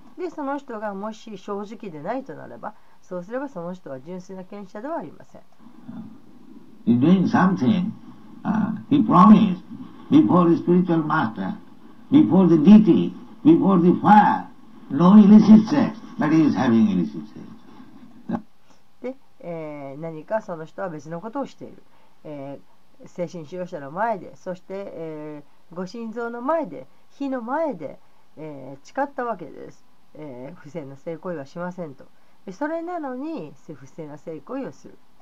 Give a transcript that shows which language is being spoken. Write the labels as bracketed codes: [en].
[ja] で、その人がもし正直でないとなれば、そうすればその人は純粋な献身者ではありません。 [en] He doing something, he promised before the spiritual master, before the deity, before the fire, no illicit sex, but he is having illicit sex. [ja] で、何かその人は別のことをしている。精神修行者の前で、そして、ご心臓の前で、火の前で、誓ったわけです。不正な性行為はしませんと。それなのに、不正な性行為をする。